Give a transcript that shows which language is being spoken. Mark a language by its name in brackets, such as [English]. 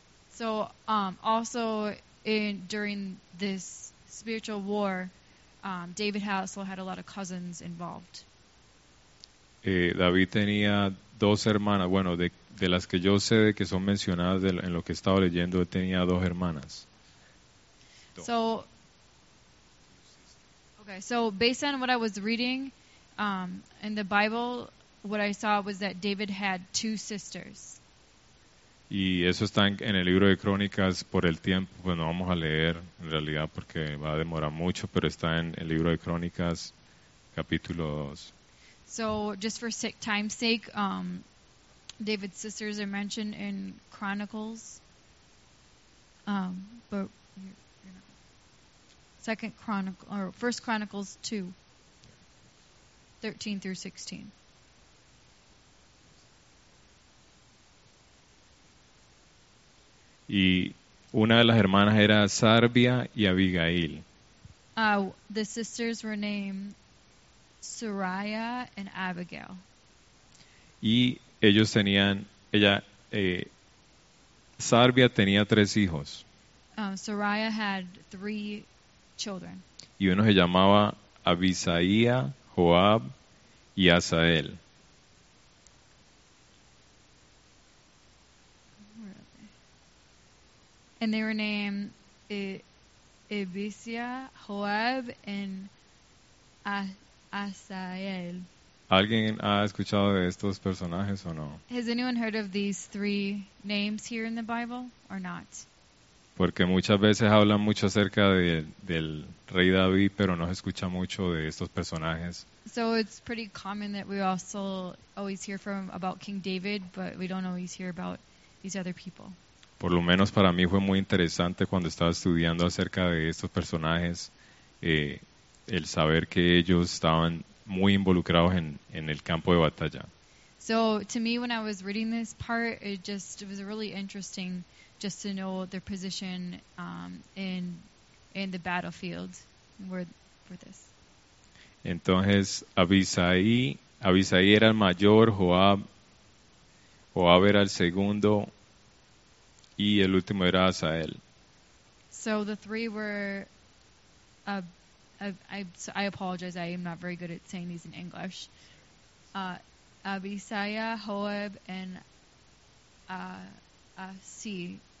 [English] So also in during this spiritual war, David also had a lot of cousins involved. [Spanish] David tenía dos hermanas. Bueno, de las que yo sé de que son mencionadas en lo que he estado leyendo, tenía dos hermanas. [English] So based on what I was reading in the Bible, what I saw was that David had two sisters. [Spanish] Y eso está en el libro de Crónicas por el tiempo, pues no vamos a leer en realidad porque va a demorar mucho, pero está en el libro de Crónicas capítulo 2. [English] So just for time's sake, David's sisters are mentioned in Chronicles. But Second Chronicle or First Chronicles 2, 13 through 16. [Spanish] Y una de las hermanas era Sarbia y Abigail. [English] The sisters were named Saraya and Abigail. [Spanish] Y ellos tenían, Sarbia tenía tres hijos. [English] Saraya had three children. [Spanish] Y uno se llamaba Abisaía, Joab y Asael. [English] And they were named Abisia, Joab, and Asael. [Spanish] ¿Alguien ha escuchado de estos personajes o no? [English] Has anyone heard of these three names here in the Bible or not? [Spanish] Porque muchas veces hablan mucho acerca del rey David, pero no se escucha mucho de estos personajes. [English] So it's pretty common that we also always hear from about King David, but we don't always hear about these other people. [Spanish] Por lo menos para mí fue muy interesante cuando estaba estudiando acerca de estos personajes el saber que ellos estaban muy involucrados en el campo de batalla. [English] So to me when I was reading this part it was really interesting just to know their position in the battlefield where this. [Spanish] Entonces Abisaí era el mayor, Joab era el segundo. Y el último era Asael. [English] So the three were I apologize, I am not very good at saying these in English. Abisaya, Joab, and Asia.